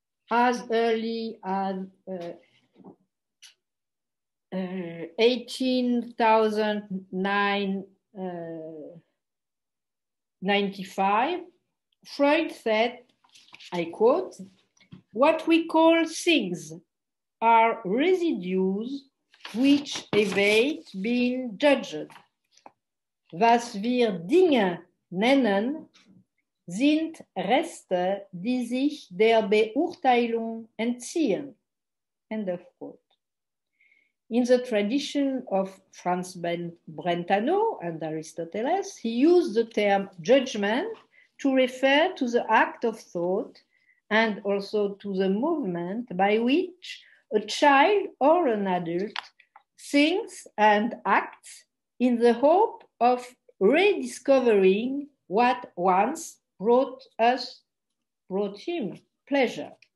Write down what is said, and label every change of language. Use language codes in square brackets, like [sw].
[en] As early as 1895, Freud said, I quote, "What we call things are residues which evade being judged. [de] Was wir Dinge nennen, sind Reste, die sich der Beurteilung entziehen." [en] End of quote. In the tradition of Franz Brentano and Aristoteles, he used the term judgment to refer to the act of thought and also to the movement by which a child or an adult thinks and acts in the hope of rediscovering what once brought him pleasure.